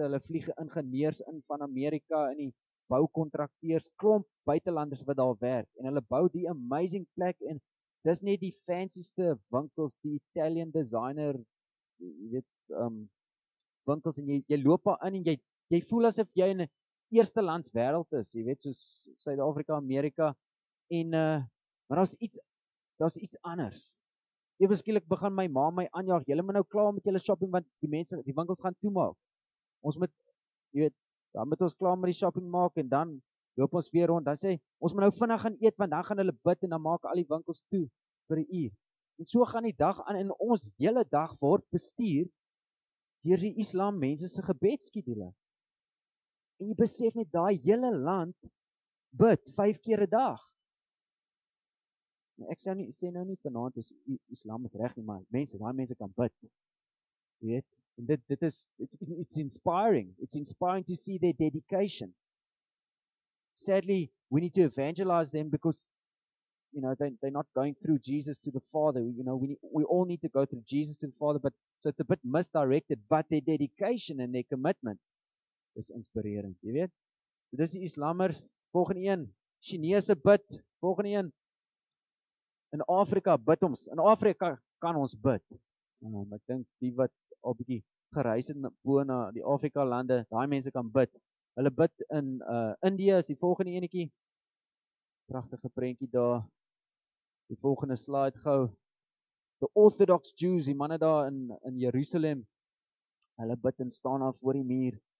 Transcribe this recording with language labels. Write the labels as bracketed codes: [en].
[af] Hulle vlieg ingenieurs in van Amerika en die boukontrakteurs, klomp buitelanders wat daar werk. En hulle bou die amazing plek en dis net die fancyste winkels, die [en] Italian designer, [af] jy weet, winkels. En jy loop daar in en jy voel asof jy in 'n eerste lands wêreld is, jy weet, soos Suid-Afrika, Amerika. En, maar daar is iets anders. Ewe skielik begin my ma my aanjaag, jylle moet nou klaar met jylle shopping, want die mense, die winkels gaan toemaak. Ons moet, jy weet, dan moet ons klaar met die shopping maak, en dan loop ons weer rond, dan sê, ons moet nou vinnig gaan eet, want dan gaan hulle bid, en dan maak al die winkels toe, vir die uur. En so gaan die dag aan, en ons hele dag word bestuur, deur die islam mense se gebedskedule. En jy besef net, daai hele land, bid 5 keer 'n dag. Ek sê nou nie vanaand is islam is reg nie, maar mense, daai mense kan bid. Weet? En dit is, [en] it's inspiring. It's inspiring to see their dedication. Sadly, we need to evangelize them because, you know, they're not going through Jesus to the Father. You know, we all need to go through Jesus to the Father, but so it's a bit misdirected, but their dedication and their commitment is [af] inspirerend. Jy weet? So dis die islammers. Volgende een, Chinese bid. Volgende een, in Afrika bid ons. In Afrika kan ons bid. Ek dink die wat al bietjie gereis het bo na die Afrika lande, daai mense kan bid. Hulle bid in Indië is die volgende enetjie. Pragtige prentjie daar. Die volgende slide gou. [en] The Orthodox Jews, [af] die manne daar in Jerusalem, hulle bid en staan daar voor die muur.